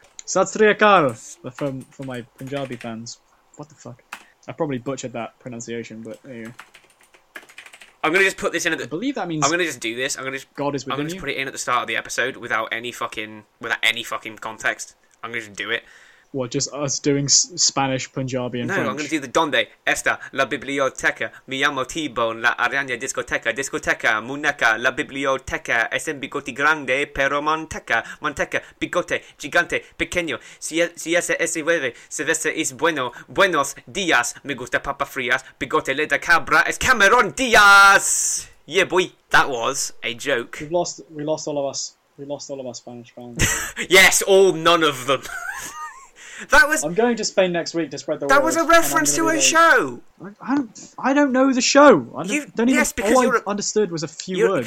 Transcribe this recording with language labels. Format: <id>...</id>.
<pa>Sat Sri Akal.</pa> <en>For my Punjabi fans. What the fuck? I probably butchered that pronunciation, but there you go. I'm going to just put this in at the... I believe that means... I'm going to just do this. I'm going to just... God is within you. I'm going to just put it in at the start of the episode without any fucking... Without any fucking context. I'm going to just do it. What, just us doing Spanish, Punjabi, and no, French?</en> <es>No, I'm going to do the donde, esta, la biblioteca, mi amo T-Bone, la araña discoteca, discoteca, muñeca, la biblioteca, es un bigote grande, pero manteca, bigote, gigante, pequeño, si ese es nueve, si ese es bueno, buenos días, me gusta papas frías, bigote le da cabra, es Cameron Diaz!</es> <en>Yeah, boy, that was a joke. We lost all of our Spanish fans. Yes, none of them. That was. I'm going to Spain next week to spread the word. That was a reference to a show. I don't know the show. All I understood was a few words.</en>